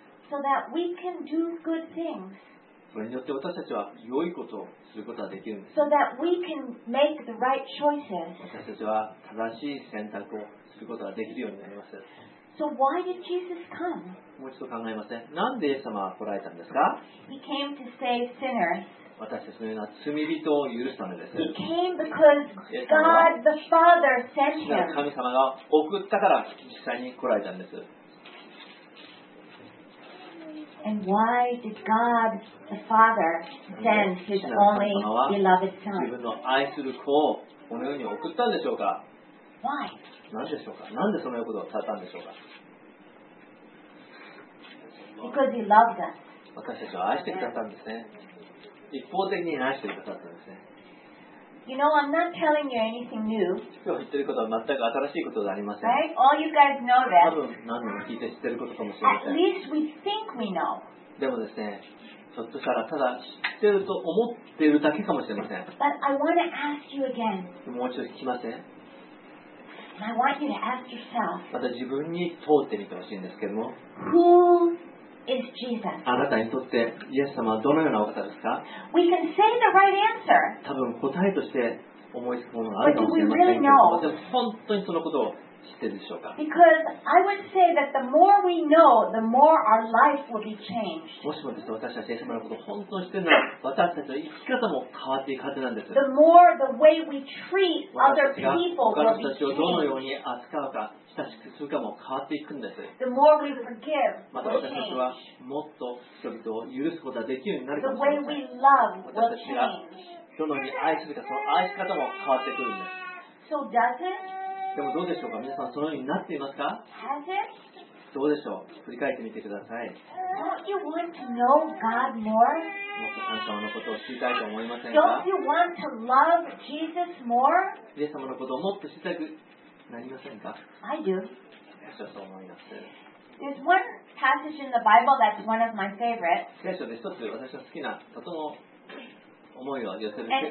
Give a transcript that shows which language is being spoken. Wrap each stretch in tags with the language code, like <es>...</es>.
<en>So that we can do good things.</en> <ja>それによって私たちは良いことをすることができるんです。</ja> <en>So that we can make the right choices.</en> <ja>私たちは正しい選択をすることができるようになります。</ja> <en>So why did Jesus come?</en> <ja>もう一度考えますね。なんでイエス様は来られたんですか?</ja> <en>He came to save sinners.</en> <ja>私たちのような罪人を許すためです。</ja> <en>He came because God the Father sent him.</en> <ja>神様が送ったから実際に来られたんです。</ja> <en>And why did God the Father send His only beloved Son?</en> <ja>自分の愛する子をこの世に送ったんでしょうか?</ja> <en>Why?</en> <ja>なんでしょうか? なんでそのようなことをされたんでしょうか?</ja> <en>Because He loved us.</en> <ja>私たちを愛してくださったんですね。一方的に愛してくださったんですね。</ja> <en>You know, I'm not telling you anything new.</en> <ja>今日言ってることは全く新しいことではありません。</ja> <en>Right? All you guys know that.</en> <ja>多分何人も聞いて知ってることかもしれません。</ja> <en>At least we think we know.</en> <ja>でもですね、ちょっとしたらただ知ってると思ってるだけかもしれません。</ja> <en>But I want to ask you again.</en> <ja>もう一度聞きません。</ja> <en>And I want you to ask yourself.</en> <ja>また自分に問ってみてほしいんですけども。</ja> <en>Who is Jesus?</en> <ja>あなたにとってイエス様はどのようなお方ですか?</ja> <en>We can say the right answer.</en> <ja>多分答えとして思いつくものがあると思いますけど、私は本当にそのことを知ってるでしょうか?</ja> <en>Because I would say that the more we know, the more our life will be changed.</en> <ja>もしもですね、私たちイエス様のことを本当に知ってるなら、私たちの生き方も変わっていくはずなんです。</ja> <en>The more the way we treat other people will be changed.</en> <ja>私たちをどのように扱うか。親しくするかも変わっていくんです。</ja> <en>The more we forgive,</en> <ja>また私たちはもっと人々を許すことができるようになるかもしれません。</ja> <en>The way we love will change.</en> <ja>私たちがどのように愛するか、その愛し方も変わってくるんです。</ja> <en>So does it?</en> <ja>でもどうでしょうか、皆さんそのようになっていますか?</ja> <en>Has it?</en> <ja>どうでしょう、振り返ってみてください。</ja> <en>Don't you want to know God more?</en> <ja>もっと神様のことを知りたいと思いませんか?</ja> <en>Don't you want to love Jesus more?</en> <ja>イエス様のことをもっと知りたくなりませんか?</ja> <en>I do.</en> <ja>そう思います。</ja> <en>There's one passage in the Bible that's one of my favorites.</en> <ja>聖書で一つ私の好きな、とても思いを寄せる聖書</ja>